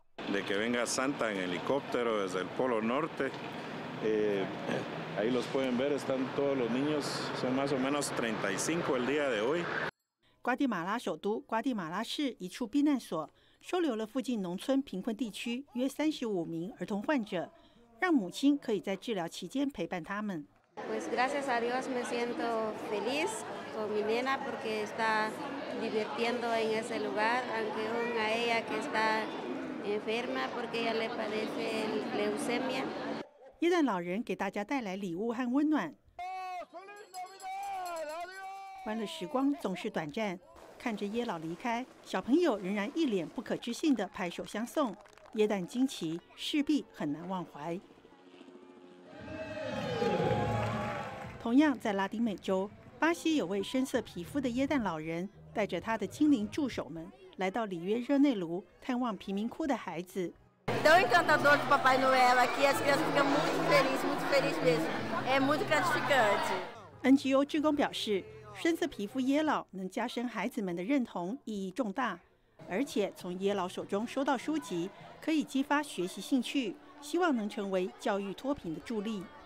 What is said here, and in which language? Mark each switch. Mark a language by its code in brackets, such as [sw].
[es] De que venga Santa en helicóptero desde el Polo Norte, ahí los pueden ver, están todos los niños, son más o menos 35 el día de hoy. [zh] 瓜地马拉首都瓜地马拉市一处避难所收留了附近农村贫困地区约35名儿童患者，让母亲可以在治疗期间陪伴他们。 [es] Pues gracias a Dios me siento feliz con mi nena porque está divirtiendo en ese lugar, aunque aún a ella que está enferma porque ella le padece leucemia. [zh] 耶诞老人给大家带来礼物和温暖。欢乐时光总是短暂，看着耶老离开，小朋友仍然一脸不可置信的拍手相送。耶诞惊奇势必很难忘怀。同样在拉丁美洲，巴西有位深色皮肤的耶诞老人带着他的精灵助手们来到里约热内卢探望贫民窟的孩子。 [pt] Tão encantador que Papai Noel aqui, as crianças ficam muito feliz mesmo. É muito gratificante. [zh] NGO 志工表示，深色皮肤耶老能加深孩子们的认同，意义重大。而且从耶老手中收到书籍，可以激发学习兴趣，希望能成为教育脱贫的助力。